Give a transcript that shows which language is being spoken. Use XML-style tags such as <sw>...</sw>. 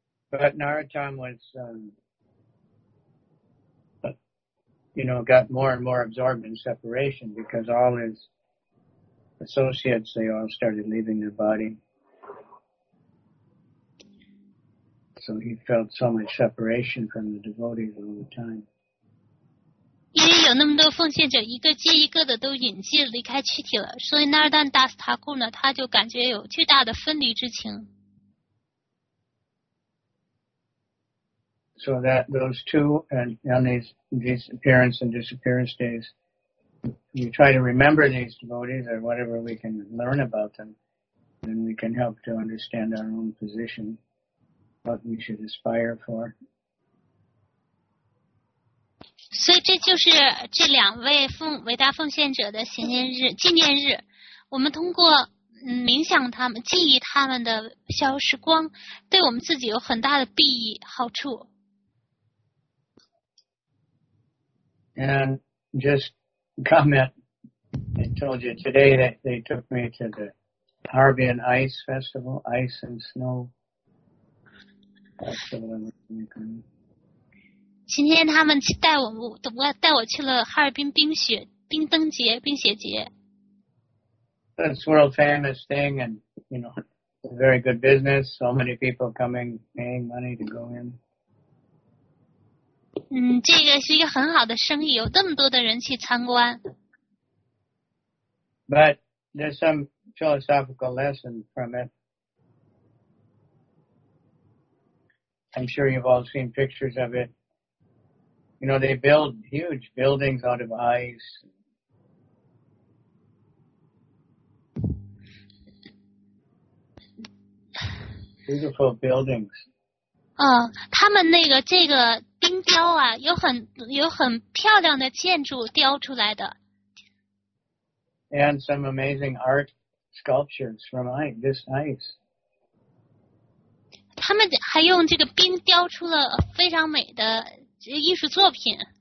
<en>But Narottam was, you know, got more and more absorbed in separation because all his associates, they all started leaving their body. so he felt so much separation from the devotees all the time.</en> <zh>因为有那么多奉献者，一个接一个的都隐迹离开躯体了，所以那儿旦达斯塔库呢，他就感觉有巨大的分离之情。</zh> <en>So that those two and these appearance and disappearance days, we try to remember these devotees or whatever we can learn about them, then we can help to understand our own position, what we should aspire for.</en> <zh>所以这就是这两位伟大奉献者的行念日纪念日。我们通过冥想他们，记忆他们的消失光，对我们自己有很大的裨益好处。</zh> <en>And just comment, I told you today that they took me to the Harbin Ice Festival, Ice and Snow Festival in Michigan.</en> <zh>今天他们带我去了哈尔滨冰雪节。</zh> <en>It's a world famous thing and, you know, very good business, so many people coming, paying money to go in.</en> <zh>这个是一个很好的生意，有这么多的人去参观。</zh> <en>But there's some philosophical lesson from it. I'm sure you've all seen pictures of it. You know, they build huge buildings out of ice. Beautiful buildings.</en> <zh>他们那个这个冰雕啊，有很漂亮的建筑雕出来的。</zh> <en>And some amazing art sculptures from ice, this ice.</en> <zh>他们还用这个冰雕出了非常美的艺术作品。</zh>